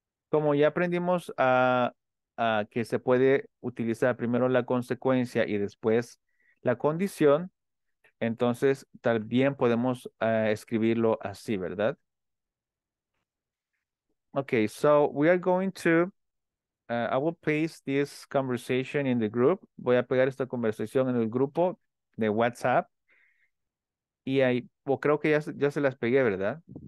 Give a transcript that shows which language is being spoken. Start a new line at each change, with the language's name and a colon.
Spanish: Como ya aprendimos a que se puede utilizar primero la consecuencia y después la condición, entonces también podemos escribirlo así, ¿verdad?
English: Okay, so we are going to, I will paste this conversation in the group.
Spanish: Voy a pegar esta conversación en el grupo de WhatsApp. Y ahí, well, creo que ya se las pegué, ¿verdad?